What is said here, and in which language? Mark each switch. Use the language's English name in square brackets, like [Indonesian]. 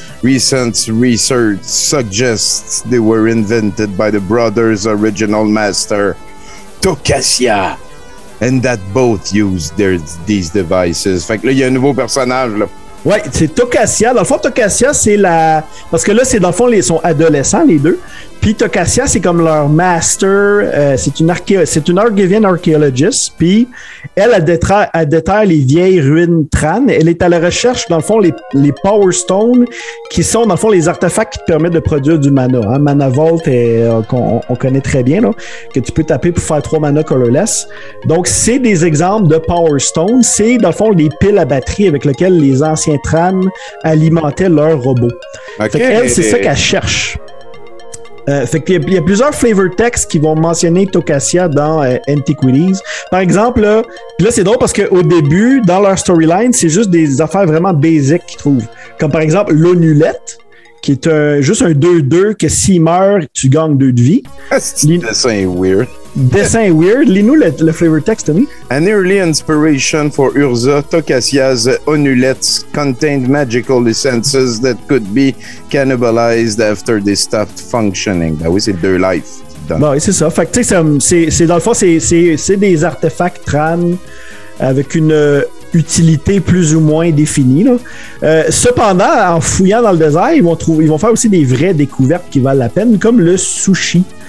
[English] Recent research suggests they were invented by the brothers' original master, Tocassia, and that both used these devices. [French] Fait que là, il y a un nouveau personnage, là. Ouais, c'est Tocassia. Dans le fond, Tocassia, c'est la... Parce que là, c'est dans le fond, ils sont adolescents, les deux. Puis Tocassia, c'est comme leur master. C'est une Argivian archaeologist. Puis elle déterre les vieilles ruines Tran. Elle est à la recherche, dans le fond, les Power Stones, qui sont, dans le fond, les artefacts qui te permettent de produire du mana. Hein? Mana Vault, qu'on connaît très bien, là, que tu peux taper pour faire 3 mana colorless. Donc, c'est des exemples de Power Stones. C'est, dans le fond, les piles à batterie avec lesquelles les anciens Tran alimentait leur robot. Okay, fait qu'elle, c'est ça qu'elle cherche. Fait qu'il y a plusieurs flavor texts qui vont mentionner Tocassia dans Antiquities. Par exemple, là c'est drôle parce qu'au début, dans leur storyline, c'est juste des affaires vraiment basic qu'ils trouvent. Comme par exemple, l'onulette, qui est juste un 2-2 que s'il meurt, tu gagnes 2 de vie. Dessin est weird. Dessin weird. Lis-nous le flavor text, Tommy. [English] An early inspiration for Urza, Tocassia's onulets contained magical essences that could be cannibalized after they stopped functioning. [French] Ben oui, c'est deux life. Ben oui, c'est ça. Fait que tu sais, c'est dans le fond, c'est des artefacts Tran avec une utilité plus ou moins définie. Là. Cependant, en fouillant dans le désert, ils vont faire aussi des vraies découvertes qui valent la peine, comme le sushi.